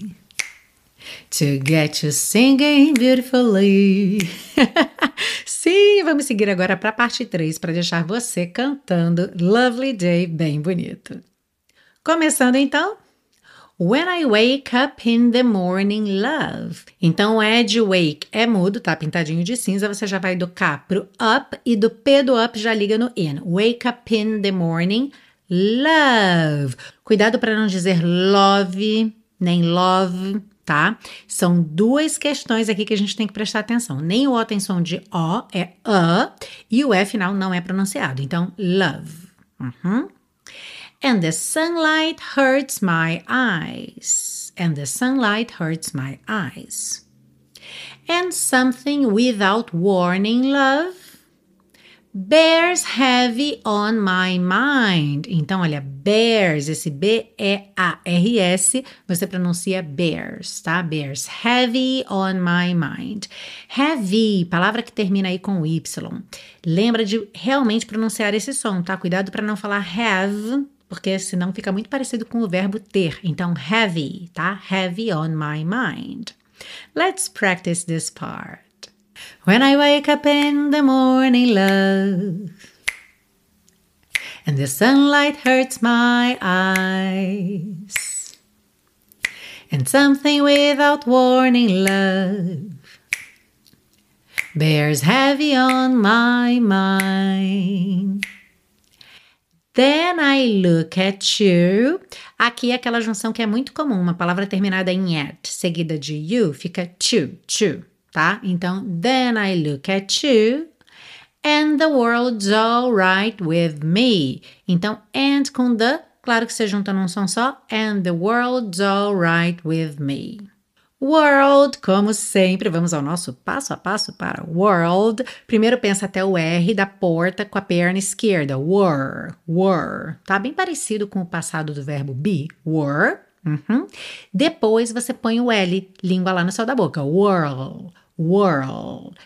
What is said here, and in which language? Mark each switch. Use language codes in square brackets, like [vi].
[en] To get you singing beautifully. [pt] Sim, vamos seguir agora para a parte 3, para deixar você cantando Lovely Day bem bonito. Começando então. [en] When I wake up in the morning, love. [pt] Então, o Ed wake é mudo, tá pintadinho de cinza. Você já vai do K pro up e do P do up já liga no in. [en] Wake up in the morning, love. [pt] Cuidado para não dizer love, nem love, tá? São duas questões aqui que a gente tem que prestar atenção. Nem o O tem som de O, é a, e o E final não é pronunciado. [en] Então, love. Uhum. And the sunlight hurts my eyes. And the sunlight hurts my eyes. And something without warning, love, bears heavy on my mind. [pt] Então, olha, bears, esse B-E-A-R-S, você pronuncia bears, tá? [en] Bears heavy on my mind. Heavy, [pt] palavra que termina aí com Y. Lembra de realmente pronunciar esse som, tá? Cuidado para não falar have, porque senão fica muito parecido com o verbo ter. [en] Então, heavy, tá? Heavy on my mind. Let's practice this part. When I wake up in the morning, love, and the sunlight hurts my eyes, and something without warning, love, bears heavy on my mind. Then I look at you. [pt] Aqui é aquela junção que é muito comum, uma palavra terminada em at, seguida de you, fica to, tá? [en] Então, then I look at you, and the world's all right with me. Então, and com the [pt] Claro que você junta num som só. [en] And the world's alright with me. [pt] World, como sempre, vamos ao nosso passo a passo para world. Primeiro pensa até o R da porta com a perna esquerda. Were, were. Tá bem parecido com o passado do verbo be, were. Uhum. Depois você põe o L, língua lá no céu da boca. World, world.